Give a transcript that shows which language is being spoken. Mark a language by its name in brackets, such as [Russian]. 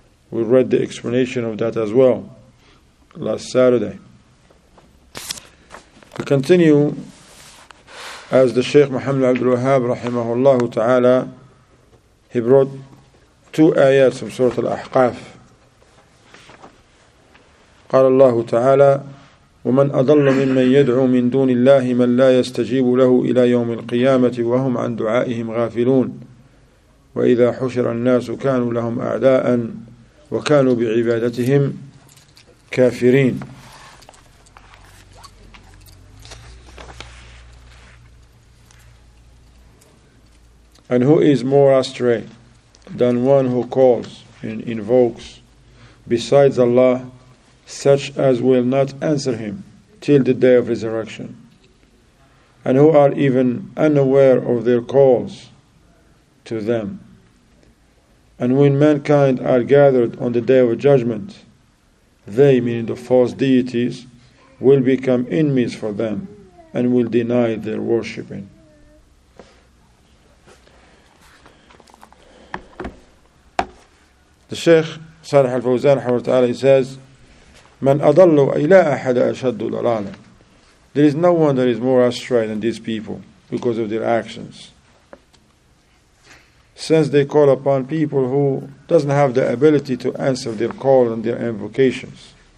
[English] We read the explanation of that as well last Saturday. We continue as the Shaykh Muhammad Abdul Wahhab rahimahullah ta'ala, he brought two ayahs from Surah Al-Ahqaf. [Arabic] قال الله تعالى ومن أضل ممن يدعو من دون الله من لا يستجيب له إلى يوم القيامة وهم عن دعائهم غافلون وإذا حشر الناس كانوا لهم أعداء وكانوا بعبادتهم كافرين. [English] And who is more astray than one who calls and invokes besides Allah such as will not answer him till the day of resurrection, and who are even unaware of their calls to them? And when mankind are gathered on the day of judgment, they, meaning the false deities, will become enemies for them and will deny their worshipping. The Shaykh Salih al-Fawzan says, [Arabic] من أضلوا إلى أحد أشد ضلالا. [English] There is no one that is more astray than these people because of their actions, since they call upon people who doesn't have the ability to answer their call and their invocations.